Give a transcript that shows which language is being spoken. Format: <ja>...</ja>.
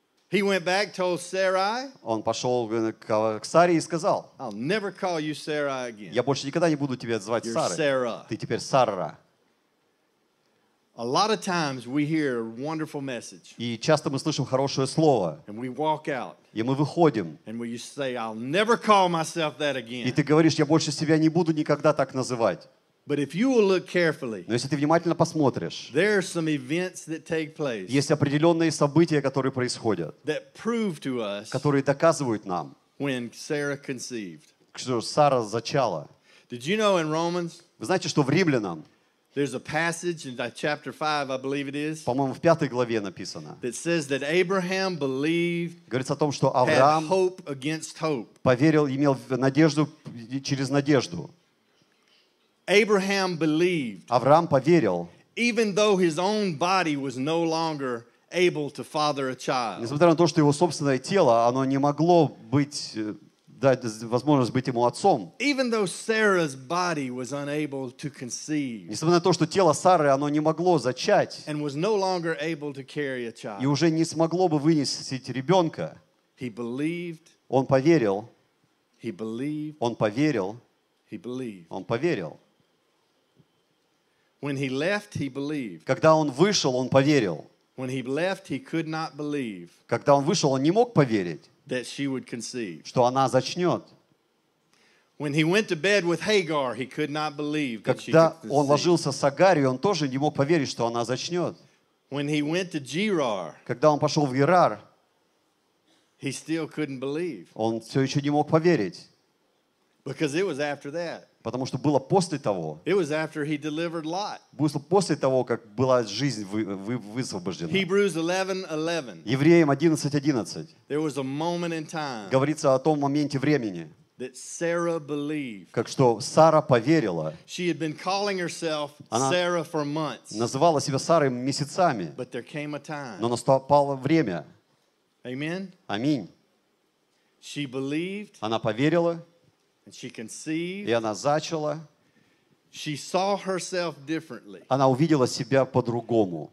<en>He went back, told Sarai.</en> <ru>Он пошел к Саре и сказал.</ru> <en>I'll never call you Sarah again.</en> <ru>Я больше никогда не буду тебя звать Сарой.</ru> <en>You're Sarah.</en> <ru>Ты теперь Сара.</ru> <en>A lot of times we hear a wonderful message.</en> <ru>И часто мы слышим хорошее слово.</ru> <en>And we walk out.</en> <ru>И мы выходим.</ru> <en>And we say, I'll never call myself that again.</en> <ru>И ты говоришь, я больше себя не буду никогда так называть.</ru> <en>But if you will look carefully,</en> <ru>но если ты внимательно посмотришь,</ru> <en>there are some events that take place.</en> <ru>Есть определенные события, которые происходят,</ru> <en>that prove to us,</en> <ru>которые доказывают нам,</ru> <en>when Sarah conceived.</en> <ru>Что Сара зачала.</ru> <en>Did you know in Romans?</en> <ru>Вы знаете, что в Римлянам?</ru> <en>There's a passage in chapter 5, I believe it is.</en> <ru>По-моему, в пятой главе написано.</ru> <en>That says that Abraham believed.</en> <ru>Говорится о том, что Авраам</ru> <en>hope against hope.</en> <ru>Поверил, имел надежду через надежду.</ru> <en>Abraham believed.</en> <ru>Авраам поверил.</ru> <en>Even though his own body was no longer able to father a child.</en> <ru>Несмотря на то, что его собственное тело, оно не могло быть дать возможность быть ему отцом.</ru> <en>Even though Sarah's body was unable to conceive,</en> <ru>несмотря на то, что тело Сары, оно не могло зачать,</ru> <en>and was no longer able to carry a child,</en> <ru>и уже не смогло бы вынести ребенка,</ru> <en>he believed,</en> <ru>он поверил, Он поверил. Он поверил.</ru> <en>When he left, he believed.</en> <ru>Когда он вышел, он поверил.</ru> <en>When he left, he could not believe.</en> <ru>Когда он вышел, он не мог поверить.</ru> <en>That she would conceive.</en> <ru>Что она зачнет.</ru> <en>When he went to bed with Hagar, he could not believe that she would conceive.</en> <ru>Когда он ложился с Агарью, он тоже не мог поверить, что она зачнет.</ru> <en>When he went to Gerar,</en> <ru>когда он пошел в Герар,</ru> <en>he still couldn't believe.</en> <ru>Он все еще не мог поверить.</ru> <en>Because it was after that.</en> <ru>Потому что было после того.</ru> <en>It was after he delivered Lot.</en> <ru>Было после того, как была жизнь высвобождена.</ru> <en>Hebrews 11:11.</en> <ru>Евреям 11:11.</ru> <en>There was a moment in time.</en> <ru>Говорится о том моменте времени.</ru> <en>That Sarah believed.</en> <ru>Как что Сара поверила.</ru> <en>She had been calling herself Sarah for months.</en> <ru>Называла себя Сарой месяцами.</ru> <en>But there came a time.</en> <ru>Но наступало время.</ru> <en>Amen.</en> <ru>Аминь.</ru> <en>She believed.</en> <ru>Она поверила.</ru> <en>And she conceived.</en> <ru>И она зачала.</ru> <en>She saw herself differently.</en> <ru>Она увидела себя по-другому.</ru>